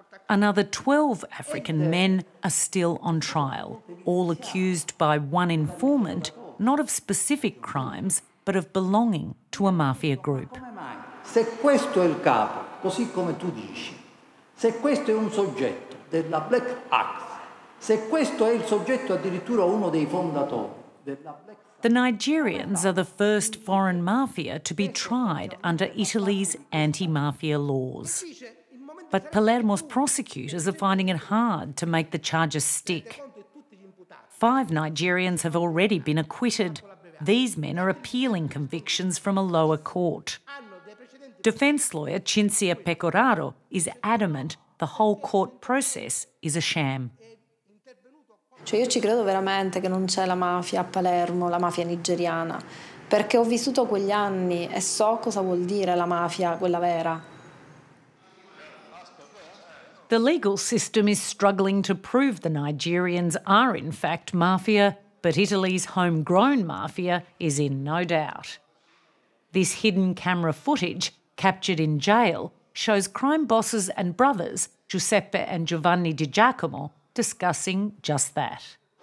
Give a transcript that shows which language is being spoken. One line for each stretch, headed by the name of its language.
English: Another 12 African men are still on trial, all accused by one informant, not of specific crimes, but of belonging to a mafia group.
Italian: Se questo è il capo, così come tu dici, se questo è un soggetto della Black Axe, se questo è il soggetto addirittura uno dei fondatori della Black Axe.
English: The Nigerians are the first foreign mafia to be tried under Italy's anti-mafia laws. But Palermo's prosecutors are finding it hard to make the charges stick. Five Nigerians have already been acquitted. These men are appealing convictions from a lower court. Defence lawyer Cinzia Pecoraro is adamant the whole court process is a sham.
Italian: Cioè io ci credo veramente che non c'è la mafia a Palermo, la mafia nigeriana, perché ho vissuto quegli anni e so cosa vuol dire la mafia, quella vera.
English: The legal system is struggling to prove the Nigerians are in fact mafia, but Italy's homegrown mafia is in no doubt. This hidden camera footage, captured in jail, shows crime bosses and brothers, Giuseppe and Giovanni Di Giacomo, discussing just that.